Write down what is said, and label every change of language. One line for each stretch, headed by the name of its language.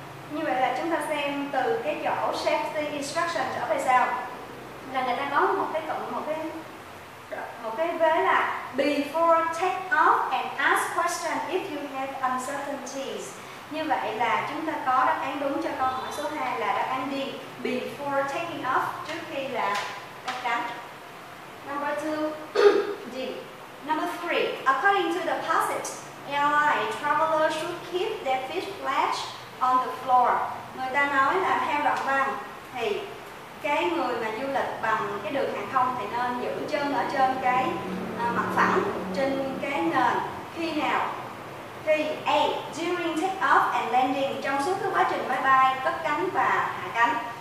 Vietnamese: Như vậy là chúng ta xem từ cái chỗ safety instructions trở về sau, là người ta nói một cái cụm, một cái vế là
English: before take off and ask question if you have uncertainties.
Vietnamese: Như vậy là chúng ta có đáp án đúng cho câu hỏi số 2 là đáp án D,
English: before taking off,
Vietnamese: trước khi là cất cánh.
English: Number 2, D. Number 3, according to the passage, airline traveler should keep their feet flat on the floor.
Vietnamese: Người ta nói là theo đoạn văn thì cái người mà du lịch bằng cái đường hàng không thì nên giữ chân ở trên cái mặt phẳng, trên cái nền. Khi nào? Thì A,
English: during take off and landing,
Vietnamese: trong suốt cái quá trình máy bay cất cánh và hạ cánh.